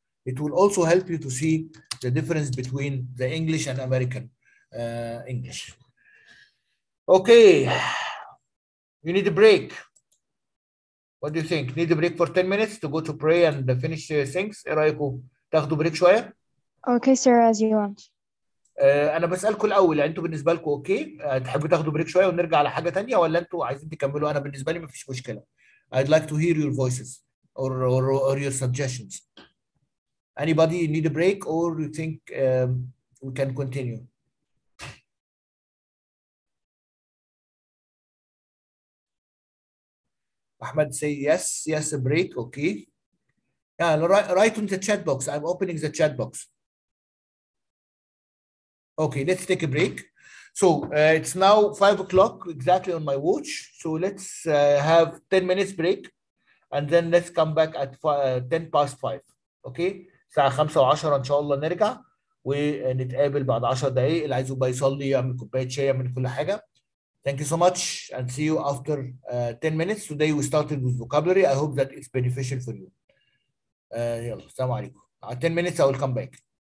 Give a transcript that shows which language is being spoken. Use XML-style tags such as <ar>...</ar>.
<en>It will also help you to see the difference between the English and American English. Okay, you need a break. What do you think? Need a break for 10 minutes to go to pray and finish things?</en> <ar>رأيكو تاخدوا بريك شوية؟</ar> <en>Okay, sir, as you want.</en> <ar>أنا بسألكوا الأول, يعني أنتوا بالنسبة لكم أوكي؟ تحبوا تاخدوا بريك شوية ونرجع على حاجة تانية ولا أنتوا عايزين تكملوا؟ أنا بالنسبة لي ما فيش مشكلة.</ar> <en>I'd like to hear your voices or your suggestions. Anybody need a break or you think we can continue? Ahmed say yes, yes, a break, okay. Yeah, write in the chat box. I'm opening the chat box. Okay, let's take a break. So it's now 5 o'clock exactly on my watch. So let's have 10 minutes break and then let's come back at 5, 10 past 5, okay?</en> <ar>الساعة 5:10 إن شاء الله نرجع ونتقابل بعد 10 دقايق. اللي عايزه بقى يصلي يعمل كوباية شاي يعمل كل حاجة.</ar> <en>Thank you so much and see you after 10 minutes. Today we started with vocabulary. I hope that it's beneficial for you. Yalla, assalamu alaikum. 10 minutes, I will come back.</en>